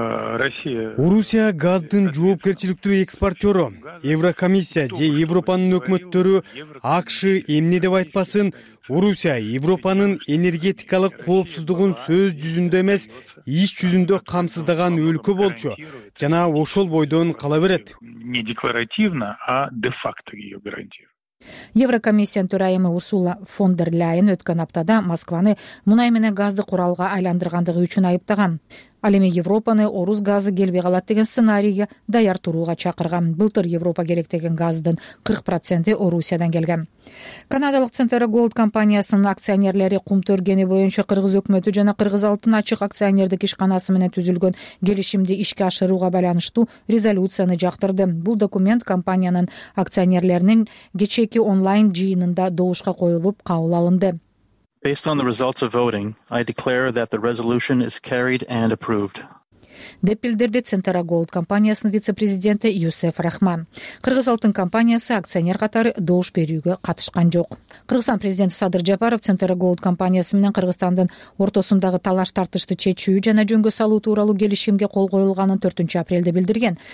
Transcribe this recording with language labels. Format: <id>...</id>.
<ky>Орусия газдын жоопкерчиликтүү экспортёру. Еврокомиссия же Европанын өкмөттөрү АКШ эмне деп айтпасын, Орусия Европанын энергетикалык коопсуздугун сөз жүзүндө эмес, иш жүзүндө камсыздаган өлкө болчу жана ошол бойдон кала берет.</ky> <ru>Не декларативно, а де-факто её гарантия.</ru> <ky>Еврокомиссиянын төрайымы Урсула фон дер Ляйен өткөн аптада Москваны мунай менен газды куралга айландыргандыгы үчүн айыптаган. Ал эми Европаны орус газы келбей калат деген сценарийге даяр турууга чакырган. Былтыр Европа керек деген газдын 40% Орусиядан келген. Канадалык Центрогольд компаниясынын акционерлери кум төргени боюнча кыргыз өкмөтү жана кыргыз алтын ачык акционердик ишканасы менен түзүлгөн келишимди ишке ашырууга байланыштуу резолюцияны жактырды. Бул документ компаниянын акционерлеринин кечээки онлайн жыйынында добушка коюлуп кабыл алынды.</ky> <en>Based on the results of voting, I declare that the resolution is carried and approved.</en> <ky>Деп билдирди Центрогольд компаниясынын вице-президенти Юсеф Рахман. Кыргыз алтын компаниясы акционер катары добуш берүүгө катышкан жок. Кыргызстан президенти Садыр Жапаров Центрогольд компаниясы менен Кыргызстандын ортосундагы талаш тартышты чечүү жана жөнгө салуу тууралуу келишимге кол коюлганын 4 апрелде билдирген.</ky>